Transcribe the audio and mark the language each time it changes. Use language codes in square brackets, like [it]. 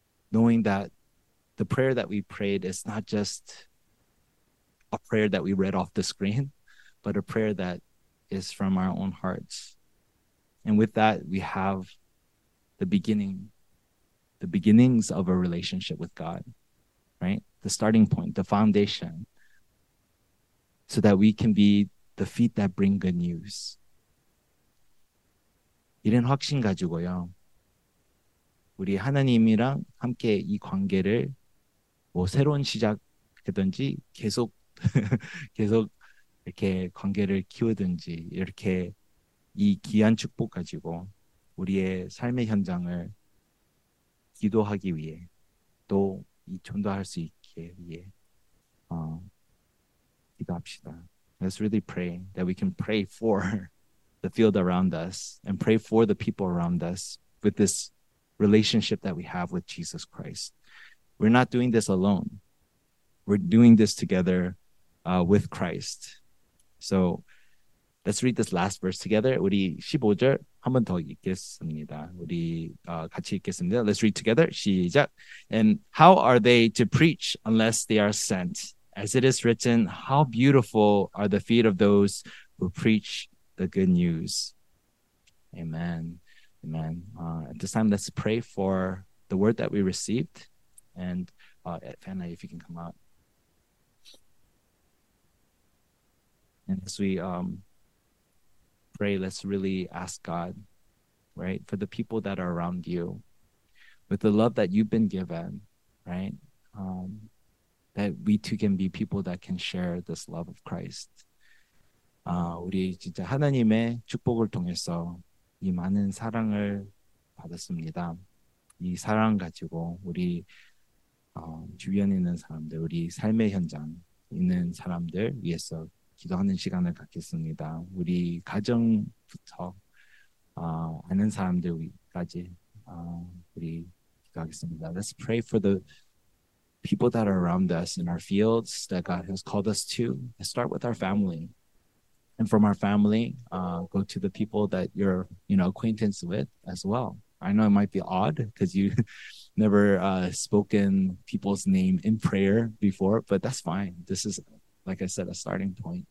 [en] Knowing that the prayer that we prayed is not just a prayer that we read off the screen, but a prayer that is from our own hearts. And with that, we have the beginnings of a relationship with God, right? The starting point, the foundation, so that we can be the feet that bring good news. [ko] 이런 확신 가지고요, 우리 하나님이랑 함께 이 관계를 뭐 새로운 시작이든지 계속 계속 이렇게 관계를 키우든지 이렇게 이 귀한 축복 가지고 우리의 삶의 현장을 기도하기 위해 또 이 전도할 수 있게 위해 기도합시다. [en] Let's really pray that we can pray for the field around us and pray for the people around us with this relationship that we have with Jesus Christ. We're not doing this alone. We're doing this together with Christ. So let's read this last verse together. [ko] 우리 15절 한 번 더 읽겠습니다. 우리 같이 읽겠습니다. [en] Let's read together. [ko] 시작. [en] And how are they to preach unless they are sent? As it is written, how beautiful are the feet of those who preach the good news. Amen. Amen. At this time, let's pray for the word that we received. And Fanna, if you can come out. And as we pray, let's really ask God, right, for the people that are around you, with the love that you've been given, right, that we too can be people that can share this love of Christ. [ko] 우리 진짜 하나님의 축복을 통해서 이 많은 사랑을 받았습니다. 이 사랑 가지고 우리 주변에 있는 사람들, 우리 삶의 현장 있는 사람들 위해서 기도하는 시간을 갖겠습니다. 우리 가정부터 아는 사람들까지 우리 기도하겠습니다. [en] Let's pray for the people that are around us in our fields that God has called us to. Let's start with our family. And from our family, go to the people that you're, you know, acquaintance with as well. I know it might be odd because you never spoken people's name in prayer before, but that's fine. This is, like I said, a starting point.